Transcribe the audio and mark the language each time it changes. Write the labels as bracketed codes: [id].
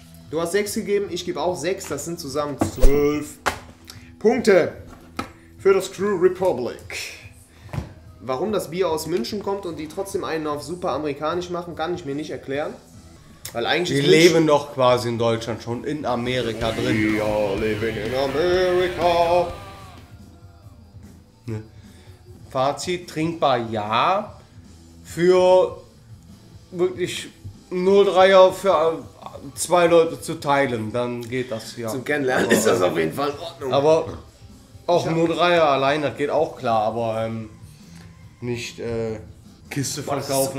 [de] Du hast 6 gegeben, ich gebe auch 6, das sind zusammen 12 Punkte für das Crew Republic. Warum das Bier aus München kommt und die trotzdem einen auf super amerikanisch machen, kann ich mir nicht erklären. Weil eigentlich die leben doch quasi in Deutschland schon in Amerika drin. [en] We are living in America. [de] Ne. Fazit, trinkbar ja. Für wirklich 0,3er für zwei Leute zu teilen, dann geht das ja. Zum Kennenlernen ist das auf jeden Fall in Ordnung. Aber auch 0,3er allein, das geht auch klar, aber nicht Kiste verkaufen.